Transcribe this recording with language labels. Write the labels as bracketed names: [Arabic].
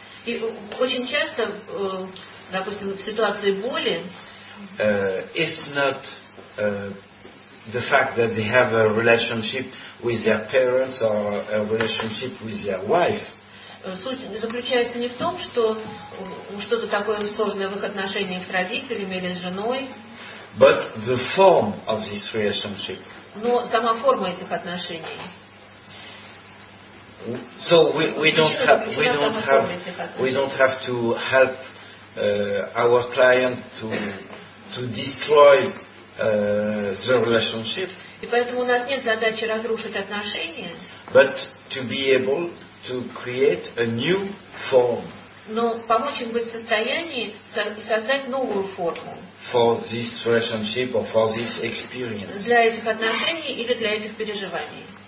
[Russian] И очень часто, допустим, в ситуации боли, [English] it's not the fact that they have a relationship with their parents or a relationship with their wife. [Russian] Суть заключается не в том, что что-то такое сложное в их отношениях с родителями или с женой. [English] But the form of this relationship. [Russian] Но сама форма этих отношений. [English] So we don't have to help our client to destroy the relationship. [Russian] И поэтому у нас нет задачи разрушить отношения. [English] But to be able to create a new form. [Russian] Но помочь им быть в состоянии создать новую форму. [English] For this relationship or for this experience. [Russian] Для этих отношений или для этих переживаний.